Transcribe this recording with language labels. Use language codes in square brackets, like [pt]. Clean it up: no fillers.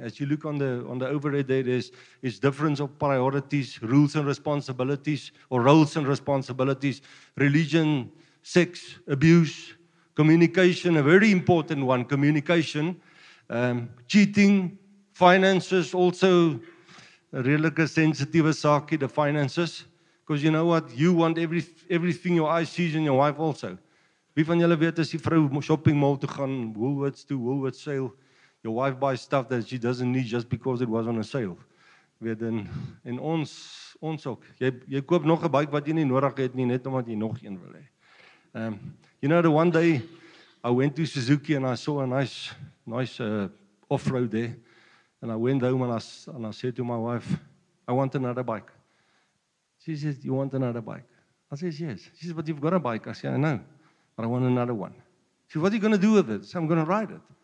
[en] As you look on the overhead there, there's difference of priorities, rules and responsibilities, or roles and responsibilities, religion, sex, abuse, communication, a very important one, communication, cheating, finances, also a really sensitive sake, the finances. Because you know what? You want everything your eyes sees and your wife also. [af] Wie van julle weet as die vrou shopping mall toe gaan, [en] Woolworths to Woolworths sale, your wife buys stuff that she doesn't need just because it was on a sale. [af] Weet en ons ook. Jy koop nog 'n bike wat jy nie nodig het nie, net omdat jy nog een wil hê. [en] You know, the one day I went to Suzuki and I saw a nice off-road there. And I went home and I said to my wife, I want another bike. She says, you want another bike? I says, yes. She says, but you've got a bike. I say, I know, but I want another one. She says, what are you going to do with it? I say, I'm going to ride it.